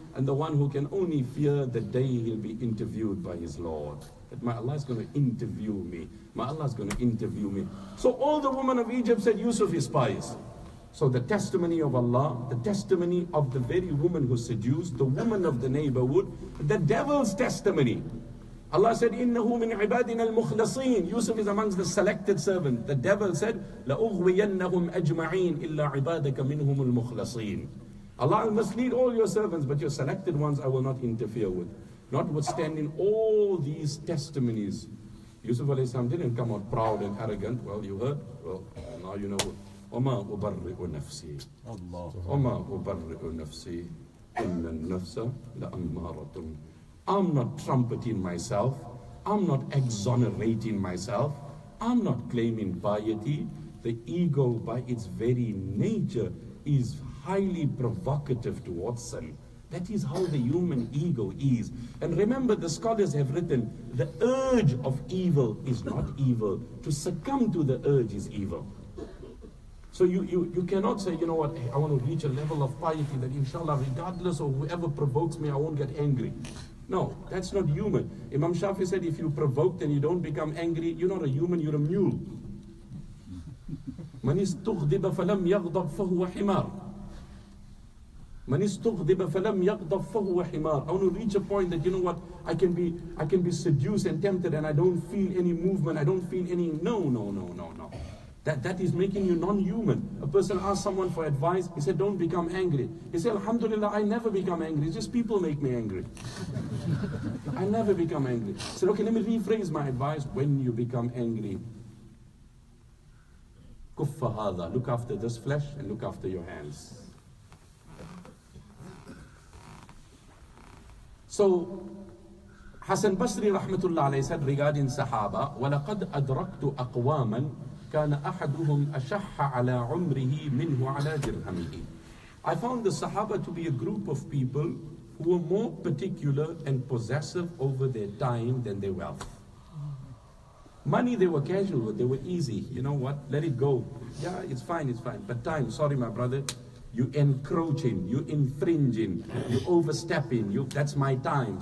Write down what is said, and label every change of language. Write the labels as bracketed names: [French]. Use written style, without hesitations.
[English] And the one who can only fear the day he'll be interviewed by his Lord. That my Allah is going to interview me. My Allah is going to interview me. So all the women of Egypt said, Yusuf is spies. So the testimony of Allah, the testimony of the very woman who seduced, the woman of the neighborhood, the devil's testimony. Allah said, [Arabic] إِنَّهُ مِنْ عِبَادِنَا الْمُخْلَصِينَ. [English] Yusuf is amongst the selected servants. The devil said, [Arabic] لَأُغْوِيَنَّهُمْ أَجْمَعِينَ إِلَّا عِبَادَكَ مِنْهُمُ الْمُخْلَصِينَ. [English] Allah must lead all your servants, but your selected ones I will not interfere with. Notwithstanding all these testimonies, Yusuf alayhi salam didn't come out proud and arrogant. Well, you heard? Well, now you know. [Arabic] وَمَا أُبَرِّئُ نَفْسِي. [English] Allah. [Arabic] وَمَا أُبَرِّئُ نَفْسِي. إِنَّ النَّفْسَ لَأَمَّارَةٌ. [English] I'm not trumpeting myself. I'm not exonerating myself. I'm not claiming piety. The ego, by its very nature, is highly provocative towards sin. That is how the human ego is. And remember, the scholars have written, the urge of evil is not evil. To succumb to the urge is evil. So you cannot say, you know what, hey, I want to reach a level of piety that inshallah, regardless of whoever provokes me, I won't get angry. No, that's not human. Imam Shafi said, if you provoke and you don't become angry, you're not a human, you're a mule. [Arabic] من استغضب فلم يغضب فهو حمار. من استغضب فلم يغضب فهو حمار. [English] I want to reach a point that, you know what, I can be seduced and tempted and I don't feel any movement, I don't feel any, no. That is making you non-human. A person asks someone for advice, he said, don't become angry. He said, Alhamdulillah, I never become angry. It's just people make me angry. I never become angry. He said, okay, let me rephrase my advice. When you become angry, [Arabic] kuffa hadha, [English] look after this flesh and look after your hands. So, Hassan Basri rahmatullah alayhi said regarding Sahaba, [Arabic] وَلَقَدْ أَدْرَكْتُ أَقْوَامًا كَانَ أَحَدُهُمْ أَشَحَّ عَلَىٰ عُمْرِهِ مِنْهُ عَلَىٰ جِرْهَمِهِ. [English] I found the Sahaba to be a group of people who were more particular and possessive over their time than their wealth. Money, they were casual with, they were easy. You know what? Let it go. Yeah, it's fine. But time, sorry, my brother, you encroaching, you infringing, you overstepping, that's my time.